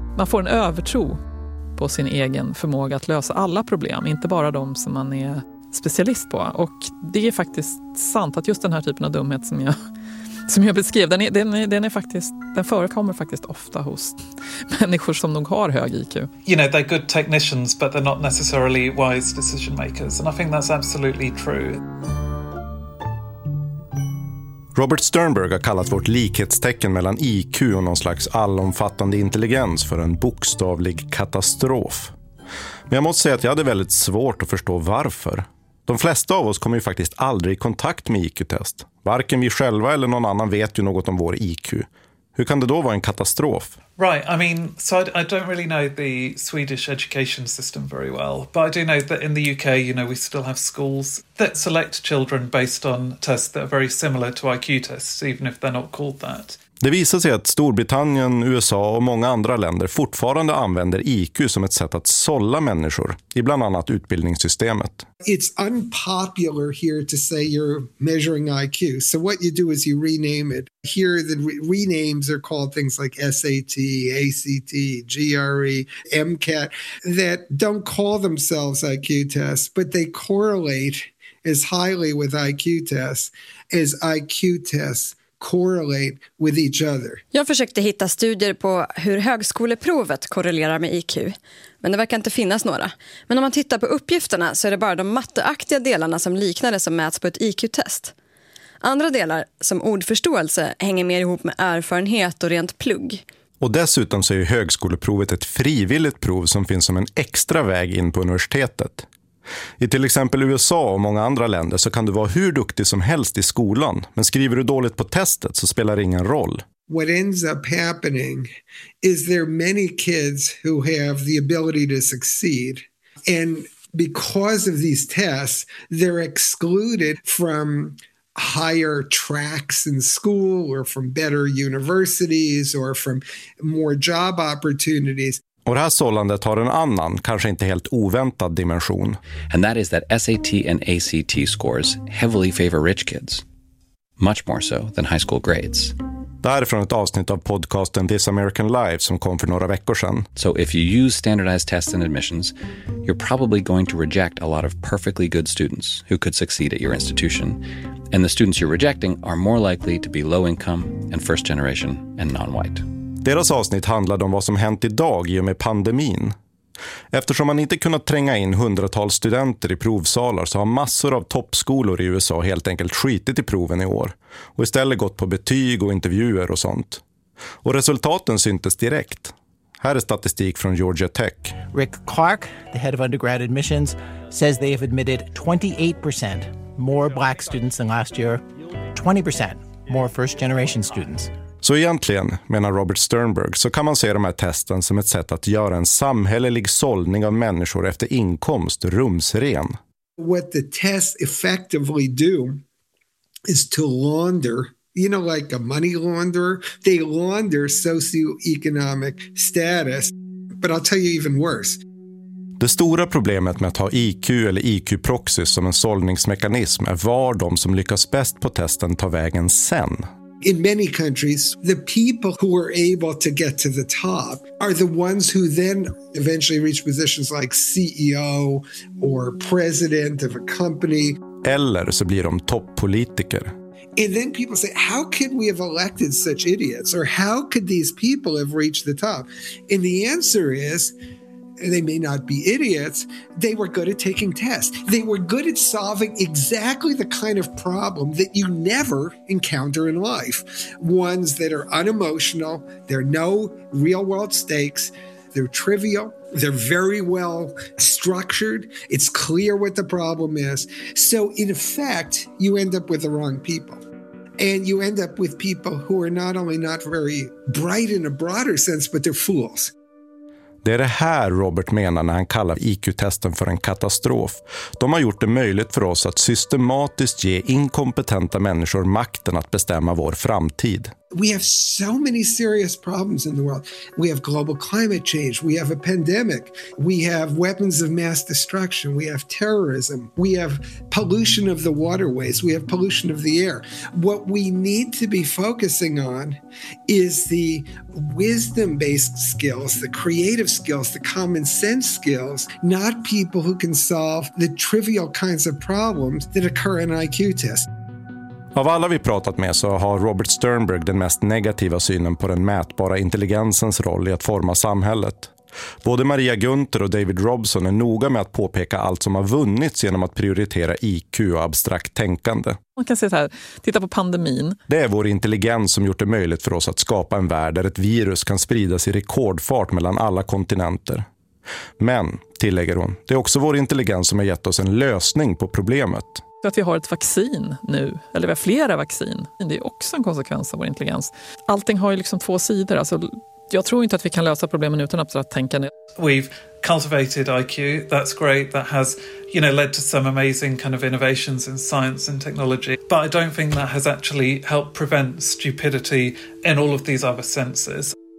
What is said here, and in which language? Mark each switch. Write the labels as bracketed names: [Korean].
[Swedish] Man får en övertro på sin egen förmåga att lösa alla problem, inte bara de som man är specialist på. Och det är faktiskt sant att just den här typen av dumhet som jag beskrev, den förekommer faktiskt ofta hos människor som nog har hög IQ. [English] You know, they're good technicians but they're not necessarily wise decision makers, and I think that's absolutely true. [Swedish] Robert Sternberg har kallat vårt likhetstecken mellan IQ och någon slags allomfattande intelligens för en bokstavlig katastrof. Men jag måste säga att jag hade väldigt svårt att förstå varför. De flesta av oss kommer ju faktiskt aldrig i kontakt med IQ-test. Varken vi själva eller någon annan vet ju något om vår IQ. Hur kan det då vara en katastrof? [English] Right, I mean, so I don't really know the Swedish education system very well, but I do know that in the UK, you know, we still have schools that select children based on tests that are very similar to IQ tests, even if they're not called that. [Swedish] Det visar sig att Storbritannien, USA och många andra länder fortfarande använder IQ som ett sätt att sålla människor i bland annat utbildningssystemet. [English] It's unpopular here to say you're measuring IQ. So what you do is you rename it. Here the renames are called things like SAT, ACT, GRE, MCAT that don't call themselves IQ tests, but they correlate as highly with IQ tests as IQ tests correlate with each other. [Swedish] Jag försökte hitta studier på hur högskoleprovet korrelerar med IQ, men det verkar inte finnas några. Men om man tittar på uppgifterna så är det bara de matteaktiga delarna som liknar det som mäts på ett IQ-test. Andra delar, som ordförståelse, hänger mer ihop med erfarenhet och rent plugg. Och dessutom så är ju högskoleprovet ett frivilligt prov som finns som en extra väg in på universitetet. I till exempel USA och många andra länder så kan du vara hur duktig som helst i skolan, men skriver du dåligt på testet så spelar det ingen roll. [English] What ends up happening is there are many kids who have the ability to succeed, and because of these tests they're excluded from higher tracks in school or from better universities or from more job opportunities. [Swedish] Och det här sållandet har en annan, kanske inte helt oväntad dimension. [English] And that is that SAT and ACT scores heavily favor rich kids. Much more so than high school grades. [Swedish] Det här är från ett avsnitt av podcasten This American Life som kom för några veckor sedan. [English] So if you use standardized tests and admissions, you're probably going to reject a lot of perfectly good students who could succeed at your institution. And the students you're rejecting are more likely to be low income and first generation and non-white. [Swedish] Deras avsnitt handlade om vad som hänt idag i och med pandemin. Eftersom man inte kunnat tränga in hundratals studenter i provsalar så har massor av toppskolor i USA helt enkelt skitit i proven i år. Och istället gått på betyg och intervjuer och sånt. Och resultaten syntes direkt. Här är statistik från Georgia Tech. [English] Rick Clark, the head of undergrad admissions, says they have admitted 28% more black students than last year. 20% more first generation students. [Swedish] Så egentligen, menar Robert Sternberg, så kan man se de här testen som ett sätt att göra en samhällelig sållning av människor efter inkomst rumsren. [English] What the tests effectively do is to launder, you know, like a money launderer, they launder socioeconomic status. But I'll tell you even worse. [Swedish] Det stora problemet med att ha IQ eller IQ-proxy som en sållningsmekanism är var de som lyckas bäst på testen tar vägen sen. [English] In many countries, the people who are able to get to the top are the ones who then eventually reach positions like CEO or president of a company. [Swedish] Eller så blir de toppolitiker. [English] And then people say, how can we have elected such idiots? Or how could these people have reached the top? And the answer is, they may not be idiots. They were good at taking tests. They were good at solving exactly the kind of problem that you never encounter in life. Ones that are unemotional. There are no real world stakes. They're trivial. They're very well structured. It's clear what the problem is. So in effect, you end up with the wrong people. And you end up with people who are not only not very bright in a broader sense, but they're fools. [Swedish] Det är det här Robert menar när han kallar IQ-testen för en katastrof. De har gjort det möjligt för oss att systematiskt ge inkompetenta människor makten att bestämma vår framtid. [English] We have so many serious problems in the world. We have global climate change. We have a pandemic. We have weapons of mass destruction. We have terrorism. We have pollution of the waterways. We have pollution of the air. What we need to be focusing on is the wisdom-based skills, the creative skills, the common sense skills, not people who can solve the trivial kinds of problems that occur in IQ tests. [Swedish] Av alla vi pratat med så har Robert Sternberg den mest negativa synen på den mätbara intelligensens roll i att forma samhället. Både Maria Gunther och David Robson är noga med att påpeka allt som har vunnits genom att prioritera IQ och abstrakt tänkande. Man kan se så här, titta på pandemin. Det är vår intelligens som gjort det möjligt för oss att skapa en värld där ett virus kan spridas i rekordfart mellan alla kontinenter. Men, tillägger hon, det är också vår intelligens som har gett oss en lösning på problemet. Att vi har ett vaccin nu, eller vi har flera vaccin, det är också en konsekvens av vår intelligens. Allting har ju liksom två sidor. Alltså, jag tror inte att vi kan lösa problemen utan abstrakt tänkande. [English] We've cultivated IQ, that's great. That has, you know, led to some amazing kind of innovations in science and technology. But I don't think that has actually helped prevent stupidity in all of these other senses.